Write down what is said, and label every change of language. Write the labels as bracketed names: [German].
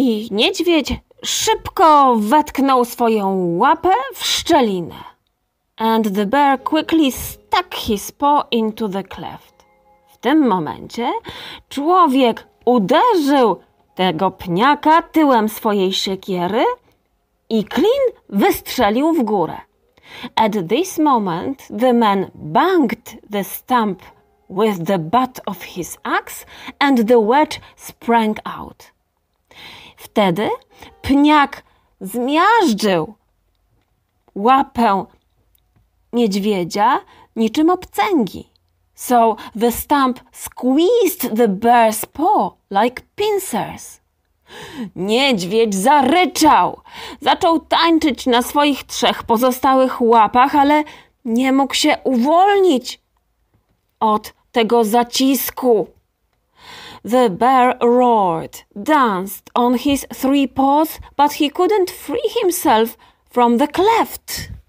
[Polish] Niedźwiedź szybko wetknął swoją łapę w szczelinę. [English] And the bear quickly stuck his paw into the cleft. [Polish] W tym momencie człowiek uderzył tego pniaka tyłem swojej siekiery i klin wystrzelił w górę. [English] At this moment the man banged the stump with the butt of his axe and the wedge sprang out. [Polish] Wtedy pniak zmiażdżył łapę niedźwiedzia niczym obcęgi. [English] So the stump squeezed the bear's paw like pincers. [Polish] Niedźwiedź zaryczał. Zaczął tańczyć na swoich trzech pozostałych łapach, ale nie mógł się uwolnić od tego zacisku. [English] The bear roared, danced on his three paws, but he couldn't free himself from the cleft.